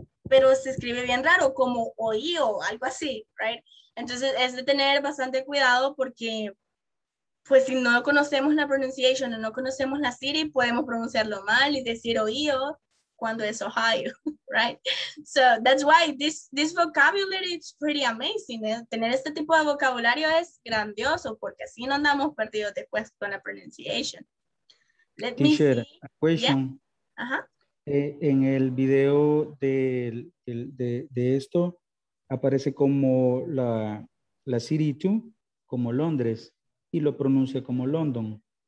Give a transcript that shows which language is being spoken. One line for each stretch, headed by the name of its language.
Spanish: Pero se escribe bien raro, como Ohio, algo así, right? Entonces es de tener bastante cuidado porque, pues si no conocemos la pronunciation o no conocemos la city, podemos pronunciarlo mal y decir Ohio cuando es Ohio, right?
English: So that's why this vocabulary is pretty amazing. ¿Eh?
Spanish: Tener este tipo de vocabulario es grandioso porque así no andamos perdidos después con la pronunciation.
English: Let teacher, me see. A question. Yeah. Uh-huh.
Spanish: En el video de esto aparece como la city too, como Londres, y lo pronuncia como London.